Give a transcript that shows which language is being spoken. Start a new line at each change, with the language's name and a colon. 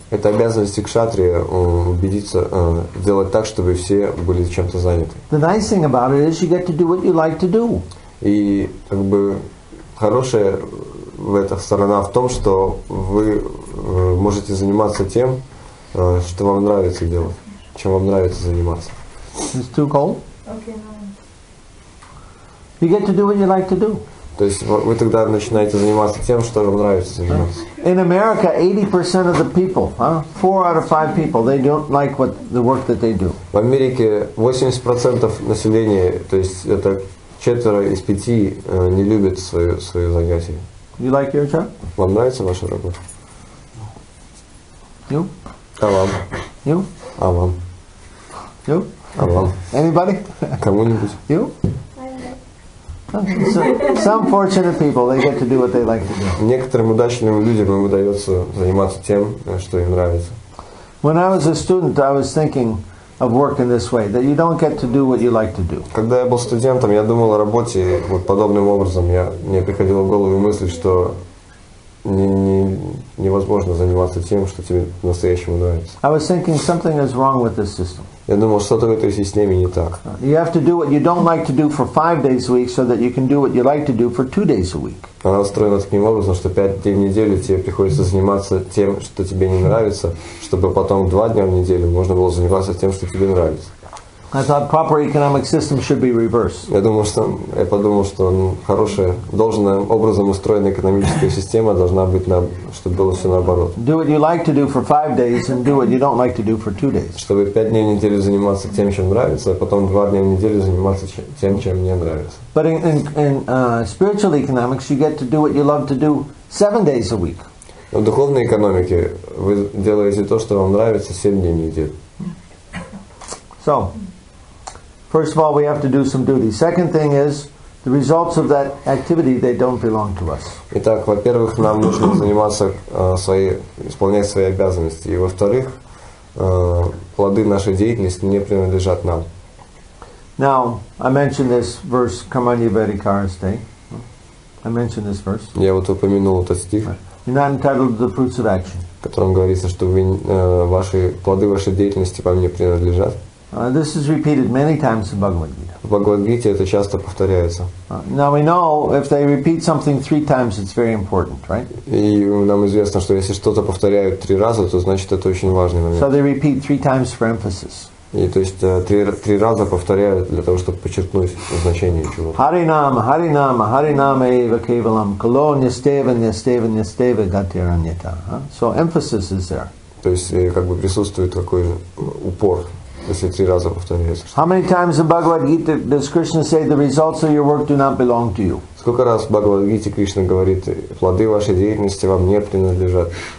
Russian: Это обязанность кшатрия убедиться, сделать так, чтобы все были чем-то заняты.
English: The nice thing about it is you get to do what you like to do.
Russian: И как бы хорошая в этом сторона в том, что вы можете заниматься тем, что вам нравится делать, чем вам нравится заниматься.
English: It's too cold? Okay, no. You get to do what you like to do.
Russian: То есть вы тогда начинаете заниматься тем, что вам нравится заниматься.
English: In America, 80% of the people, 4 out of 5 people, they don't like what the work that they do.
Russian: В Америке 80% населения, то есть это 4 из 5, не любят свое занятие.
English: You like your job?
Russian: Вам нравится ваша работа?
English: You?
Russian: А вам?
English: You?
Russian: А вам?
English: You?
Russian: А вам?
English: Anybody?
Russian: Кому-нибудь?
English: You? So, some fortunate people, they get to do what they like to do.
Russian: Некоторым удачным людям им удается заниматься тем, что им нравится.
English: When I was a student, I was thinking of work in this way, that you don't get to do what you like to do.
Russian: Когда я был студентом, я думал о работе вот подобным образом. Мне приходило в голову мысль, что невозможно заниматься тем, что тебе настоящему нравится.
English: I was thinking something is wrong with this system.
Russian: Я думал, что-то в этой системе не так.
English: You have to do what you don't like to do for 5 days a week, so that you can do what you like to do for 2 days a week.
Russian: Она устроена таким образом, что 5 дней в неделю тебе приходится заниматься тем, что тебе не нравится, чтобы потом 2 дня в неделю можно было заниматься тем, что тебе нравится.
English: I thought proper economic system should be reversed.
Russian: Я подумал, что хорошая, должным образом устроена экономическая система должна быть, чтобы было все наоборот.
English: Do what you like to do for 5 days and do what you don't like to do for 2 days.
Russian: Чтобы 5 дней в неделю заниматься тем, чем нравится, а потом 2 дня в неделю заниматься тем, чем не нравится.
English: But in spiritual economics, you get to do what you love to do 7 days a week.
Russian: В духовной экономике вы делаете то, что вам нравится, 7 дней в неделю.
English: So, first of all, we have to do some duty. Second thing is, the results of that activity, they don't belong to us.
Russian: Итак, во-первых, нам нужно заниматься исполнять свои обязанности. И во-вторых, плоды нашей деятельности не принадлежат нам.
English: Now, I mentioned this verse,
Sanskrit: Kamanya Vedikaraste.
English: I mentioned this verse.
Russian: Я вот упомянул этот стих. котором говорится, что вы, ваши плоды вашей деятельности по мне принадлежат.
English: This is repeated many times in Bhagavad Gita.
Russian: В Бхагавад Гите это часто повторяется.
English: Now we know if they repeat something three times, it's very important, right?
Russian: И нам известно, что если что-то повторяют три раза, то значит это очень важный момент.
English: So they repeat three times for emphasis.
Russian: И то есть три раза повторяют для того, чтобы подчеркнуть значение чего-то.
Sanskrit: Харинама, Харинама, Харинама эйва кевалам, кало нистева, нистева, нистева гатираньята.
English: So emphasis is there.
Russian: То есть как бы присутствует какой упор, если три раза повторяется.
English: How many times in Bhagavad Gita does Krishna say the results of your work do not belong to you?
Russian: Сколько раз в Бхагавад Гите Кришна говорит, плоды вашей деятельности вам не принадлежат?